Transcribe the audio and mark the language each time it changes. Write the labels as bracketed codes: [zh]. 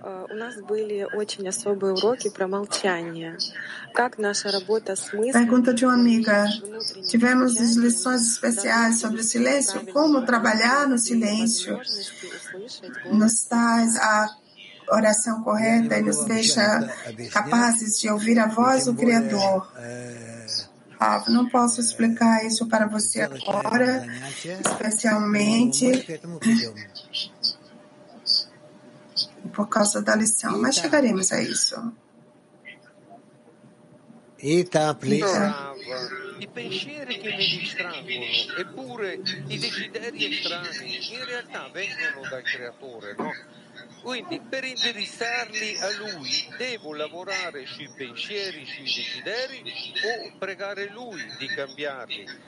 [ru] у нас были очень особые уроки про молчание. Как наша работа с мыслью? [pt] Pergunta de uma amiga. Tivemos lições especiais sobre o silêncio, como trabalhar no silêncio. Nos traz a oração correta e nos deixa capazes de ouvir a voz do Criador. Ah, não posso explicar isso para você agora, especialmente por causa da lição, mas chegaremos a isso. [it] Ita, [en] please. [it] I pensieri che mi distraggono, eppure i desideri estranei in realtà vengono dal Creatore, no? Quindi per indirizzarli a Lui devo lavorare sui pensieri, sui desideri o pregare Lui di cambiarli?